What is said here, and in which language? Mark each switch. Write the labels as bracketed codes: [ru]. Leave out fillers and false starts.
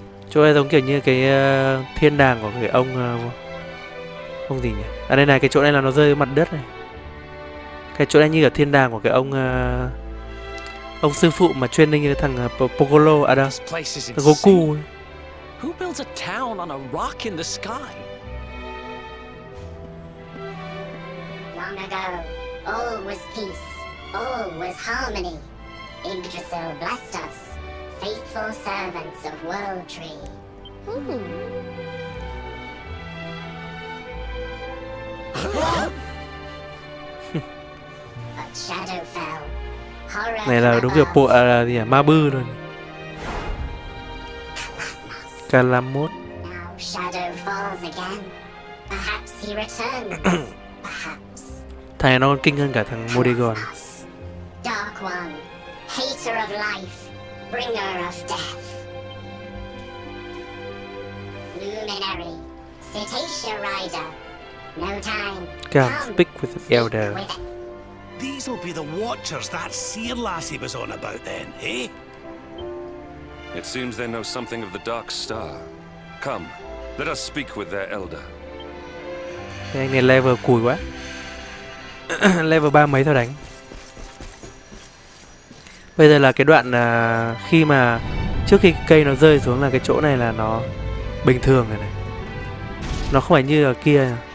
[vi] Chỗ này giống kiểu như cái thiên đàng của cái ông không gì nhỉ? À đây này, cái chỗ này là nó rơi mặt đất này. Cái chỗ này như là thiên đàng của cái ông sư phụ mà chuyên như thằng Pocolo à đó. [en] Goku. Who builds a town on a rock in the sky? Long ago, all was peace, all was harmony. Yggdrasil blessed us, faithful servants of World Tree. But shadow fell. [vi] Này là đúng kiểu bộ gì à, ma bư rồi. [en] Calamus. Now shadow falls again. Perhaps he returns. [vi] Thằng này nó còn kinh hơn cả thằng Modigon. [en] Dark one, hater of life, bringer of death. Luminary, cetacean rider. No time. Come, speak with the elder. These will be the watchers that seer lassie was on about then, eh? It seems they know something of the Dark Star. Come, let us speak with their elder. [vi] Thế anh này level cùi quá. Level 3 mấy thôi đánh. Bây giờ là cái đoạn khi mà trước khi cây nó rơi xuống là cái chỗ này là nó bình thường rồi này. Nó không phải như ở kia.